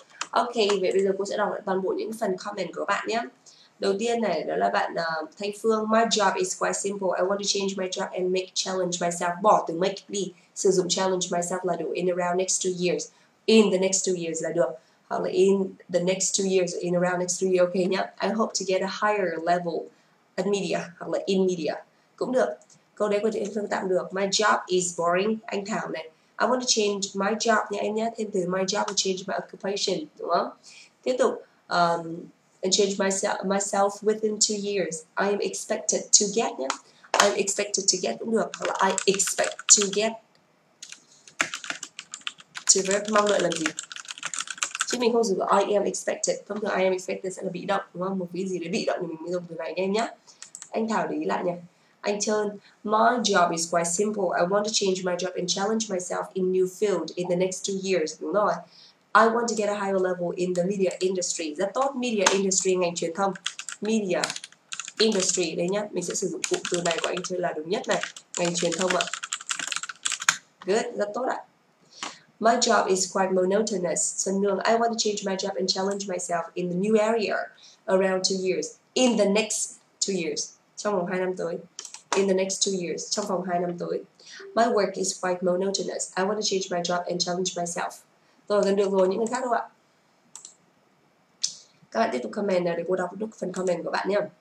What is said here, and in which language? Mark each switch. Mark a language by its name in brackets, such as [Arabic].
[Vietnamese] Ok, vậy bây giờ cô sẽ đọc lại toàn bộ những phần comment của các bạn nhé. Đầu tiên này, đó là bạn Thanh Phương. [English] My job is quite simple. I want to change my job and make challenge myself. [Vietnamese] Bỏ từ make đi. Sử dụng [English] challenge myself [Vietnamese] là đủ. [English] In around next 2 years. In the next 2 years [Vietnamese] là được. Hoặc là [English] in the next 2 years. In around next 2 years. [Vietnamese] Ok nhé. [English] I hope to get a higher level at media. Hoặc là in media. [Vietnamese] Cũng được. Câu đấy của chị Thanh Phương tạm được. [English] My job is boring. [Vietnamese] Anh Thảo này. [English] I want to change my job [Vietnamese] nha em nhé. Thêm từ [English] my job and change my occupation, [Vietnamese] đúng không? Tiếp tục [English] and change myself within 2 years. I am expected to get nha. I am expected to get [Vietnamese] cũng được. Hoặc là [English] I expect to get. [Vietnamese] To verb mong đợi làm gì? Chứ mình không dùng I am expected. Thông thường I am expected sẽ là bị động, đúng không? Một cái gì để bị động thì mình mới dùng từ này nha em nhé. Anh Thảo để ý lại nha. Anh Trơn, [English] my job is quite simple. I want to change my job and challenge myself in new field in the next 2 years. [Vietnamese] Đúng rồi. [English] I want to get a higher level in the media industry. [Vietnamese] Rất tốt, media industry, ngành truyền thông. Media industry, đấy nhá. Mình sẽ sử dụng cụm từ này của anh Trơn là đúng nhất này. Ngành truyền thông ạ. Good, rất tốt ạ. [English] My job is quite monotonous. So Nương, I want to change my job and challenge myself in the new area around 2 years. In the next 2 years. [Vietnamese] Trong vòng 2 năm tới. [English] in the next 2 years, [Vietnamese] trong vòng 2 năm tới. [English] My work is quite monotonous. I want to change my job and challenge myself. [Vietnamese] Tôi gần được rồi, những người khác đâu ạ? Các bạn tiếp tục comment nào để cô đọc được phần comment của bạn nhé.